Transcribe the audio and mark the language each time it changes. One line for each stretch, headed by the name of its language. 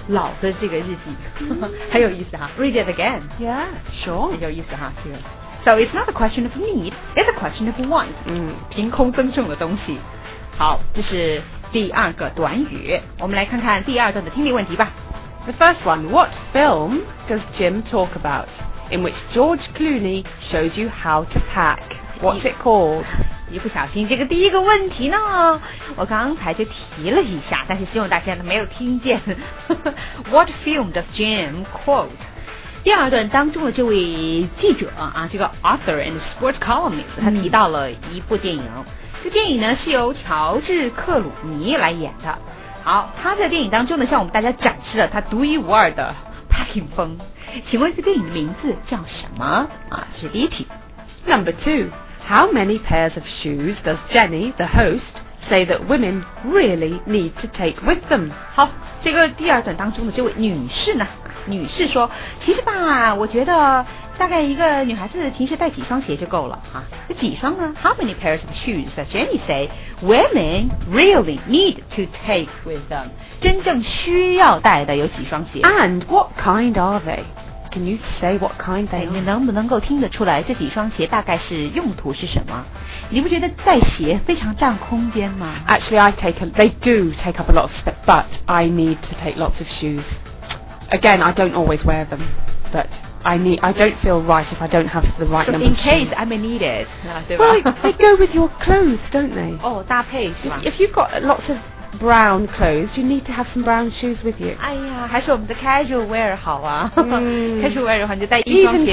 Chinese: 老的这个日记，很有意思哈。
English: Read it again. Yeah, sure.
Chinese: 很有意思哈，这个。
English: So it's not a question of need, it's a question of want. 嗯，
Chinese: 凭空增重的东西。好，这是第二个短语。我们来看看第二段的听力问题吧。
English: The first one, what film does Jim talk about in which George Clooney shows you how to pack? What's it called?
Chinese: 一不小心这个第一个问题呢我刚才就提了一下但是希望大家都没有听见
English: What film does Jim quote
Chinese: 第二段当中的这位记者啊，这个
English: author and sports columnist
Chinese: 他提到了一部电影、这电影呢是由乔治克鲁尼来演的好他在电影当中呢向我们大家展示了他独一无二的 packing 风请问这电影的名字叫什么啊？是第一题
English: Number two. How many pairs of shoes does Jenny, the host, say that women really need to take with them?
Chinese: 好，这个第二段当中的这位女士呢，女士说，其实吧，我觉得大概一个女孩子平时带几双鞋就够了啊。这几双呢
English: ？How many pairs of shoes does Jenny say women really need to take with them?
Chinese: 真正需要带的有几双鞋
English: ？And what kind are they? Can you say what kind they are?
Chinese: 你能不能够听得出来这几双鞋大概是用途是什么？你不觉得带鞋非常占空间吗
English: ？Actually, they do take up a lot of space, but I need to take lots of shoes. Again, I don't always wear them, but I don't feel right if I don't have the right number. In case I may need it, well, they go with your clothes, don't they?
Chinese: Oh, 搭配是吧
English: If you've got lots of brown clothes, you need to have some brown shoes with you.
Chinese: 哎呀，还是我们的 casual wear 好啊。嗯、 casual wear 的话，你就带一双鞋。